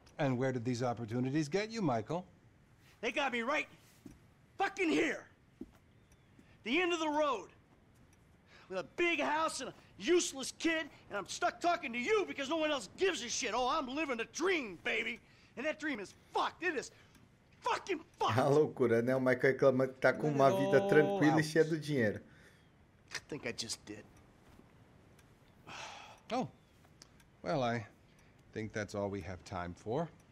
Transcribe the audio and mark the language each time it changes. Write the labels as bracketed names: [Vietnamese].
[English] And where did these opportunities get you, Michael? They got me right fucking here. The end of the road. With a big house and a useless kid, and I'm stuck talking to you because no one else gives a shit. Oh, I'm living a dream, baby. And that dream is fucked. It is fucking fucked. [Portuguese] A loucura, né? O Michael reclama que tá com uma vida tranquila e cheia do dinheiro. [English] I think I just did. Oh. Well, I think that's all we have time for.